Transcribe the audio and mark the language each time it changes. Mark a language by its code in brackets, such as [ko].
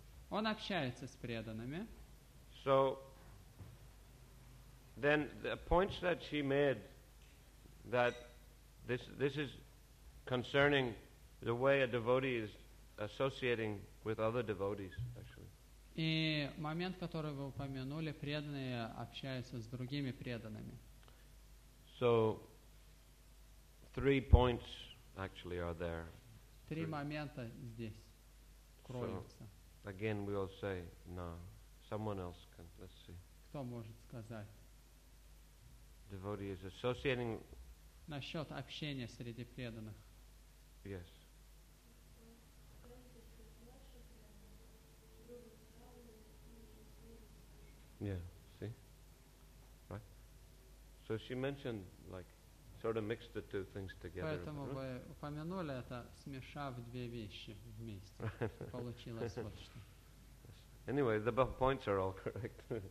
[ru] Он общается с преданными. [en] So then the points that she made that this is concerning the way a devotee is associating with other devotees, actually. [ru] И момент, который вы упомянули, преданные общаются с другими преданными. [en] So, three points actually are there. [ru] Три момента здесь кроются. [en] So, again, we will say, no, someone else can, let's see. [ru] Кто может сказать? [en] Devotee is associating. [ru] Насчет общения среди преданных. [en] Yes. Yeah, see? Right? So she mentioned, like, sort of mixed the two things together. [ru] Поэтому вы упомянули это, смешав две вещи вместе. Получилось вот что. [en] Anyway, the points are all correct.